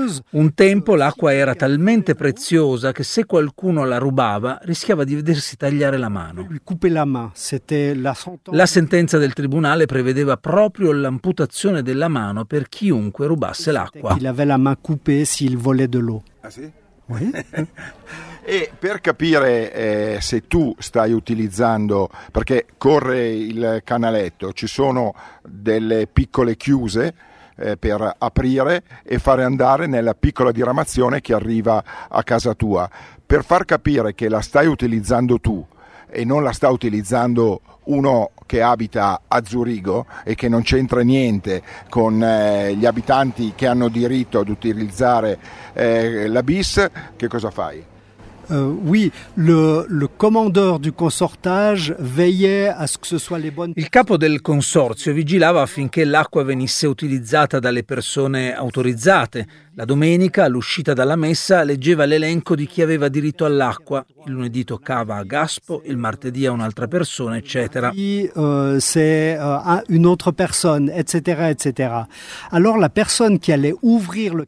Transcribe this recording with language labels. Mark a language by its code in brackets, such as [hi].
[it] Un tempo l'acqua era talmente preziosa che se qualcuno la rubava rischiava di vedersi tagliare la mano. La sentenza del tribunale prevedeva proprio l'amputazione della mano per chiunque rubasse l'acqua. [fr] Il aveva la main coupée s'il volait de l'eau. [it] Ah sì? [fr] Oui. [it] E per capire se tu stai utilizzando, perché corre il canaletto, ci sono delle piccole chiuse per aprire e fare andare nella piccola diramazione che arriva a casa tua. Per far capire che la stai utilizzando tu e non la sta utilizzando uno che abita a Zurigo e che non c'entra niente con gli abitanti che hanno diritto ad utilizzare la bis, che cosa fai? [fr] Oui, le commandeur du consortage veillait à ce que ce soit les bonnes. [it] Il capo del consorzio vigilava affinché l'acqua venisse utilizzata dalle persone autorizzate. La domenica, all'uscita dalla messa, leggeva l'elenco di chi aveva diritto all'acqua. Il lunedì toccava a Gaspo, il martedì a un'altra persona, eccetera. Allora la persona che [fr] allait ouvrir le.